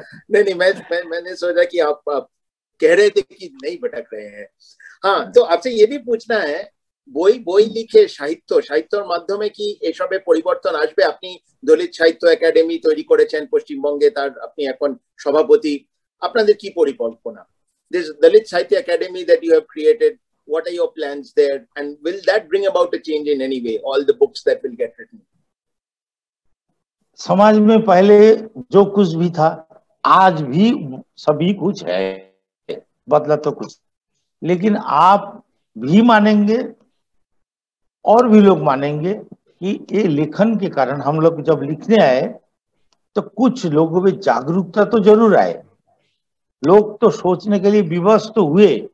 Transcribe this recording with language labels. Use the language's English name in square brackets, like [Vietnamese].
[Hindi] नहीं नहीं मैंने सोचा कि आप कह रहे थे कि नहीं भटक रहे हैं। हाँ तो आपसे ये भी पूछना है, [Bangla] बोई लिखे साहित्य साहित्यर माध्यमे कि এসবে পরিবর্তন আসবে? আপনি দলিত সাহিত্য একাডেমি তৈরি করেছেন পশ্চিমবঙ্গে, তার আপনি এখন সভাপতি, আপনাদের কি পরিকল্পনা? [English] This Dalit Sahitya Academy that you have created, what are your plans there, and will that bring about a change in any way, all the books that will get written? [Hindi] समाज में पहले जो कुछ भी था आज भी सभी कुछ है, बदला तो कुछ, लेकिन आप भी मानेंगे और भी लोग मानेंगे कि ये लेखन के कारण हम लोग जब लिखने आए तो कुछ लोगों में जागरूकता तो जरूर आए, लोग तो सोचने के लिए विवश तो हुए।